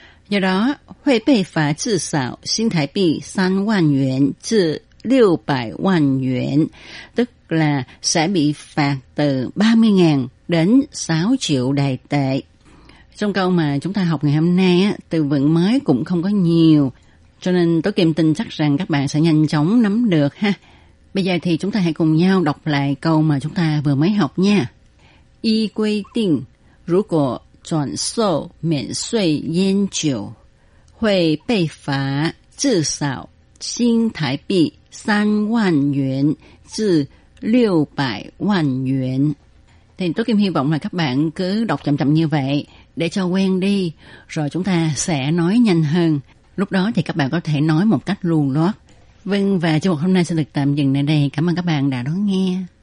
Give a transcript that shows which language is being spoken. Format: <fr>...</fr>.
<vi>Do đó,</vi> <zh>huệ bị phạt từ sáu xin thái bị</zh> <vi>3 vạn yuan từ 600 vạn yuan, tức là sẽ bị phạt từ 30.000 đến 6 triệu đại tệ. Trong câu mà chúng ta học ngày hôm nay, từ vựng mới cũng không có nhiều, cho nên Tố Kim tin chắc rằng các bạn sẽ nhanh chóng nắm được ha. Bây giờ thì chúng ta hãy cùng nhau đọc lại câu mà chúng ta vừa mới học nha.</vi> <zh>Y quy định, 如果转售免税烟酒，会被罚至少新台币三万元至六百万元。</zh> <vi>Thì tôi cũng hy vọng là các bạn cứ đọc chậm chậm như vậy để cho quen đi, rồi chúng ta sẽ nói nhanh hơn. Lúc đó thì các bạn có thể nói một cách luồn loát. Vâng, và chương trình hôm nay sẽ được tạm dừng tại đây. Cảm ơn các bạn đã đón nghe.</vi>